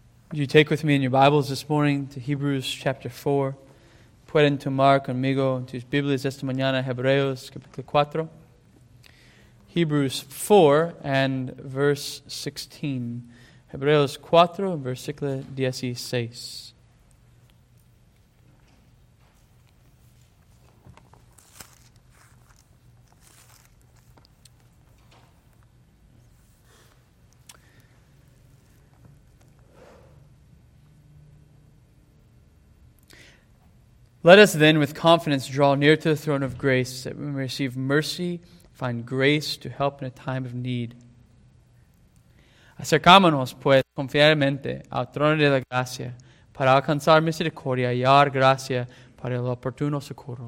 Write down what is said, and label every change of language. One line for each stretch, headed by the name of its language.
English: Would you take with me in your Bibles this morning to Hebrews chapter 4.
Spanish: Pueden tomar conmigo en tus Biblias esta mañana, Hebreos capítulo 4.
English: Hebrews 4 and verse 16.
Spanish: Hebreos 4, versículo 16.
English: Let us then with confidence draw near to the throne of grace that we may receive mercy, find grace to help in a time of need.
Spanish: Acercámonos, pues, confiadamente al trono de la gracia para alcanzar misericordia y hallar gracia para el oportuno socorro.